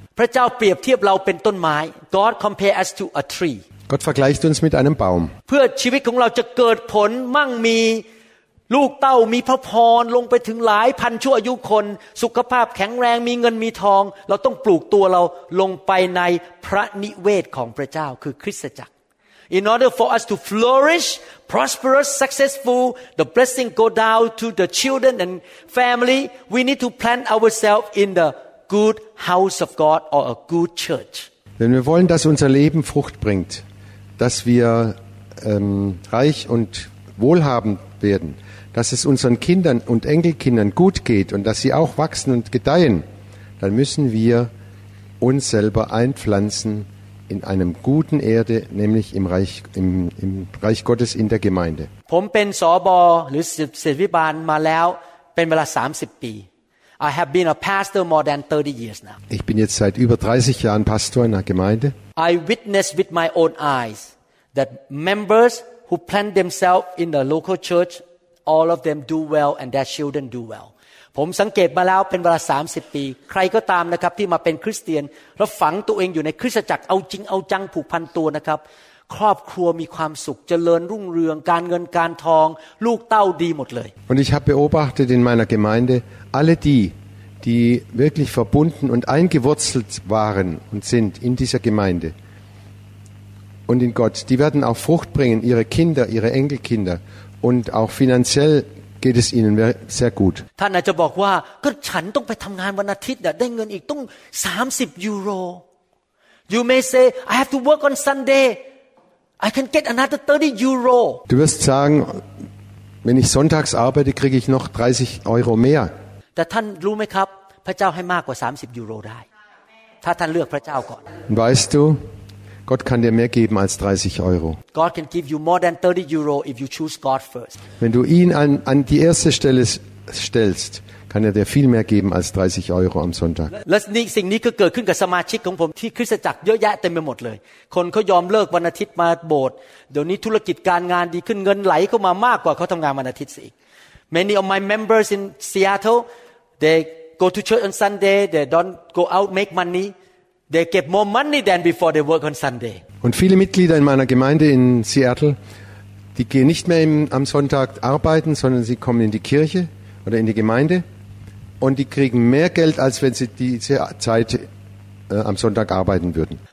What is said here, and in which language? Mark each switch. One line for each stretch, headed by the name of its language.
Thai: พระเจ้าเปรียบเทียบเราเป็นต้นไม้
English: God compare us to a tree.
German: Gott vergleicht uns mit einem Baum.
Thai: เพื่อชีวิตของเราจะเกิดผลมั่งมีลูกเต้ามีพระพรลงไปถึงหลายพันชั่วอายุคนสุขภาพแข็งแรงมีเงินมีทองเราต้องปลูกตัวเราลงไปในพระนิเวศของพระเจ้าคือคริสตจักร
English: In order for us to flourish, prosperous, successful, the blessing go down to the children and family, we need to plant ourselves in the good house of God or a good church.
German: Wenn wir wollen, dass unser Leben Frucht bringt, dass wir reich und wohlhabend werden, dass es unseren Kindern und Enkelkindern gut geht und dass sie auch wachsen und gedeihen, dann müssen wir uns selber einpflanzen in einem guten Erde, nämlich im Reich Gottes in der Gemeinde.
Thai: ผมเป็นสบหรือศิษย์วิบาลมาแล้วเป็นเวลา30ปี
English: I have been a pastor more than 30 years now.
German: Ich bin jetzt seit über 30 Jahren Pastor in einer Gemeinde.
English: I witness with my own eyes that members who plant themselves in the local church, all of them do well and their children do well.
Thai: ผมสังเกตมาแล้วเป็นเวลา30ปีใครก็ตามนะครับที่มาเป็นคริสเตียนแล้วฝังตัวเองอยู่ในคริสตจักรเอาจริงเอาจังผูกพันตัวนะครับครอบครัวมีความสุขเจริญรุ่งเรืองการเงินการทองลูกเต้าดีหมดเลย
German: Und ich habe beobachtet in meiner Gemeinde alle die wirklich verbunden und eingewurzelt waren und sind in dieser Gemeinde und in Gott die werden auch Frucht bringen ihre Kinder ihre Enkelkinder und auch finanziellgeht es ihnen sehr gut.
Thai: ท่านอาจจะบอกว่าก็ฉันต้องไปทำงานวันอาทิตย์ได้เงินอีกต้อง30ยูโร
English: You may say I have to work on Sunday. I can get another 30 euro.
German: Du wirst sagen, wenn ich sonntags arbeite, kriege ich noch 30 Euro mehr.
Thai: แต่ท่านรู้ไหมครับพระเจ้าให้มากกว่า30ยูโรได้ถ้าท่านเลือกพระเจ้าก่อน
German: Weißt du, Gott kann dir mehr geben als 30 Euro.
English: God can give you more than 30 euro if you choose God first.
German: Wenn du ihn an die erste Stelle stellst, kann er dir viel mehr geben als 30 euro am Sonntag.
English: Let's see,
Thai: สิ่งนี้ก็เกิดขึ้นกับสมาชิกของผมที่คริสตจักรเยอะแยะเต็มไปหมดเลยคนเขายอมเลิกวันอาทิตย์มาโบสถ์เดี๋ยวนี้ธุรกิจการงานดีขึ้นเงินไหลเข้ามามากกว่าเขาทำงานวันอาทิตย์อีก
English: Many of my members in Seattle, they go to church on Sunday, they don't go out make money. They get more money than before they work on Sunday.
German: Und viele Mitglieder in meiner Gemeinde in Seattle, die gehen nicht mehr am Sonntag arbeiten, sondern sie kommen in die Kirche oder in die Gemeinde und die kriegen mehr Geld, als wenn sie diese Zeit am Sonntag arbeiten würden.